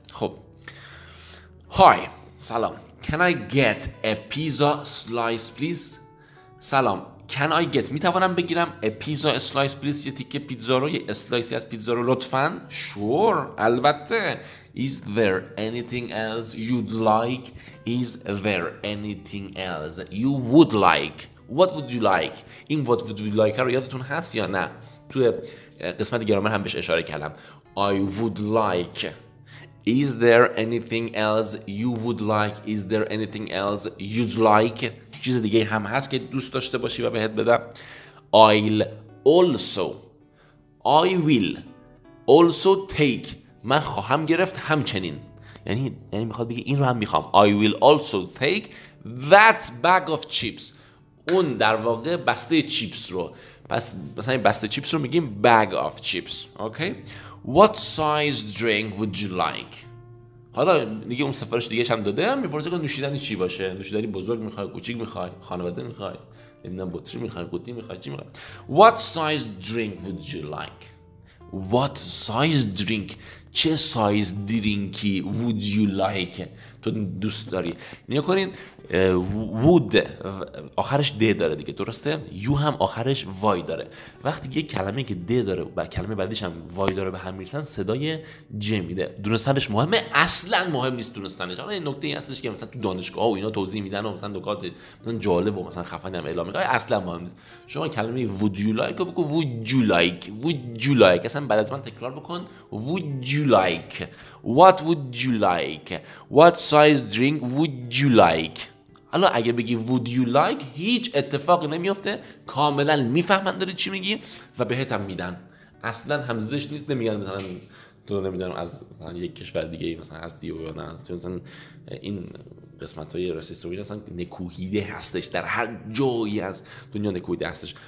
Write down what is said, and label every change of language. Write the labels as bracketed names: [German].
[Persian] خب های سلام، [English] Can I get a pizza slice please؟ [Persian] سلام، [English] Can I get، [Persian] میتوانم بگیرم، [English] a pizza slice please، [Persian] یه تیکه پیتزا رو، یه اسلایسی از پیتزا رو لطفاً. [English] Sure، [Persian] البته. [English] Is there anything else you'd like? Is there anything else you would like? What would you like? [Persian] این [English] what would you like [Persian] رو یادتون هست یا نه؟ تو قسمت گرامر هم بهش اشاره کردم. [English] I would like. Is there anything else you would like? Is there anything else you'd like? [Persian] چیز دیگه هم هست که دوست داشته باشی و بهت بدم. [English] I'll also. I will also take. [Persian] من خواهم گرفت همچنین، یعنی میخواد بگه این رو هم میخوام. [English] I will also take that bag of chips، [Persian] اون در واقع بسته چیپس رو. پس مثلا بسته چیپس رو میگیم [English] bag of chips. okay. What size drink would you like؟ [Persian] حالا دیگه اون سفارش دیگه هم داده، میپرسه که نوشیدنی چی باشه، نوشیدنی بزرگ میخوای، کوچیک میخوای، خانواده میخوای، نمیدونم بطری میخوای، قوطی میخوای، چی میخوای. [English] What size drink would you like؟ What size drink، [Persian] چه سایز درینکی [English] would you like [Persian] تو دوست داری. نیا کنین would آخرش د داره دیگه، درسته؟ you هم آخرش وای داره. وقتی یه کلمه که د داره و کلمه بعدش هم وای داره به هم میرسن صدای ج میده. دونستنش مهمه؟ اصلا مهم نیست دونستنش. حالا این نکته این هستش که مثلا تو دانشگاه و اینا توضیح میدن و مثلا نکات مثلا جالب و مثلا خفنی هم اعلام میکنن، اصلا مهم نیست. شما کلمه [English] would you like [Persian] رو بگو would you like. اصلا بعد از من تکرار بکن would you like، [English] what would you like، what size drink would you like. [Persian] حالا اگه بگی [English] would you like [Persian] هیچ اتفاقی نمیفته، کاملا میفهمن داری چی میگی و بهت هم میدن. اصلا هم زش نیست، نمیگن مثلا تو نمیدونم از مثلا یک کشور دیگه مثلا هستی یا نه، تو مثلا این قسمت های راسیست رو میدن نکوهیده هستش، در هر جایی از دنیا نکوهیده هستش.